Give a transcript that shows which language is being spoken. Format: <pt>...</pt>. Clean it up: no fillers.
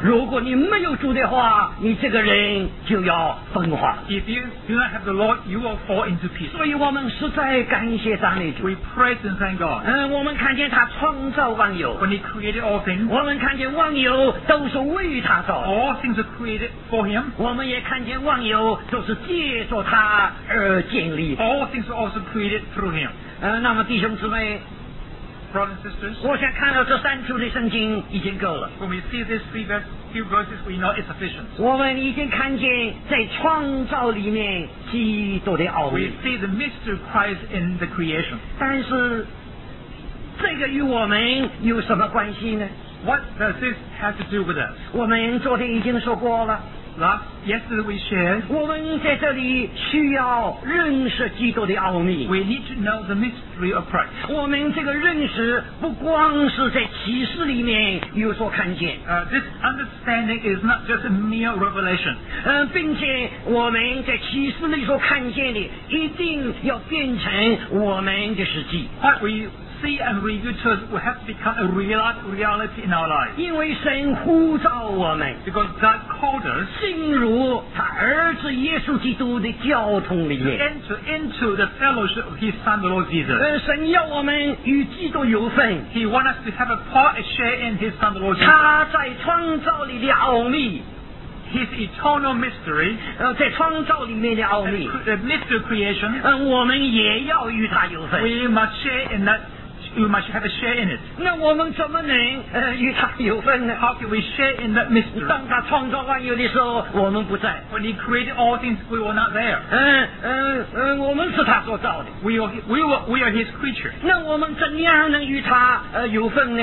<zh>如果你没有主的话，你这个人就要分化。</zh> <en>If you do not have the Lord, you will fall into pieces.</en> <zh>所以我们实在感谢赞美主。</zh> <en>We praise and thank God.</en> <zh>我们看见他创造万有。</zh> <en>When he created all things.</en> <zh>我们看见万有都是为他造。</zh> <en>All things are created for him.</en> <zh>我们也看见万有都是借着他而建立。</zh> <en>All things are also created through him.</en> <zh>那么弟兄姊妹。我想看到这三处的圣经已经够了。</zh> <en>When we see these three verses, we know it's sufficient.</en> <zh>我们已经看见在创造里面基督的奥秘。</zh> <en>We see the mystery of Christ in the creation.</en> <zh>但是这个与我们有什么关系呢？</zh> <en>What does this have to do with us?</en> <zh>我们昨天已经说过了。</zh> <en>Yesterday we shared.</en> <zh>我们在这里需要认识基督的奥秘。</zh> <en>We need to know the mystery of Christ.</en> <zh>我们这个认识不光是在启示里面有所看见。</zh> <en>This understanding is not just a mere revelation.</en> <zh>并且我们在启示里所看见的，一定要变成我们的实际。</zh> <en>What we see and review to us will have to become a real reality in our lives.</en> <zh>因为神呼召我们。</zh> <en>Because God called us.</en> <zh>进入他儿子耶稣基督的交通里面。</zh> <en>Enter into the fellowship of his son, the Lord Jesus.</en> <zh>神要我们与基督有份。</zh> <en>He wants us to have a part, a share in his son, the Lord Jesus.</en> <zh>他在创造里的奥秘。</zh> <en>His eternal mystery,</en> <zh>在创造里面的奥秘。</zh> <en>The mystery of creation.</en> <zh>我们也要与他有份。</zh> <en>We must share in that. You must have a share in it.</en> <zh>那我们怎么能与他有份呢？</zh> <en>How can we share in that mystery?</en> <zh>当他创造万有的时候，我们不在。</zh> <en>When he created all things, we were not there.</en> <zh>我们是他所造的。</zh> <en>We are his creature.</en> <zh>那我们怎样能与他有份呢？</zh>